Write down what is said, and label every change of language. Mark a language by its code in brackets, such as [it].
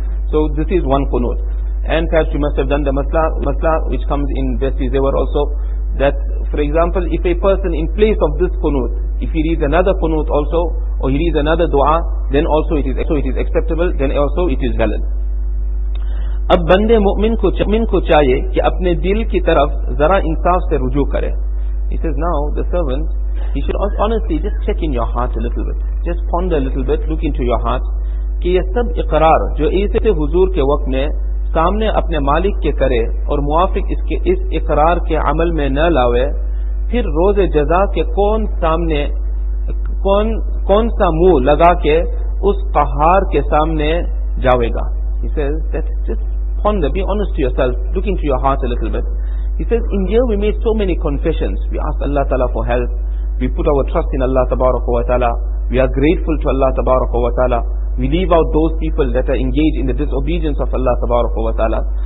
[en] So this is one qunut. And perhaps you must have done the masla which comes in Basti Zewar also, that for example, if a person in place of this qunut, if he reads another qunut also, or he reads another dua, then also it is acceptable, then also it is valid. [ur] اب بندے مؤمن کو چاہیے کہ اپنے دل کی طرف ذرا انصاف سے رجوع کرے. [en] He says, now the servant, he should honestly just check in your heart a little bit, just ponder a little bit, look into your heart, [ur] کہ یہ سب اقرار جو عیسیٰ حضور کے وقت میں سامنے اپنے مالک کے کرے اور موافق اس اقرار کے عمل میں نہ لاوے, پھر روز جزا کے کون سا منہ لگا کے اس قہار کے سامنے جاوے گا. [en] He says that just ponder, be honest to yourself, look into your heart a little bit. He says, in here we made so many confessions. We asked Allah Ta'ala for help. We put our trust in Allah Tabaraka wa Ta'ala. We are grateful to Allah Tabaraka wa Ta'ala. We leave out those people that are engaged in the disobedience of Allah Tabaraka wa Ta'ala.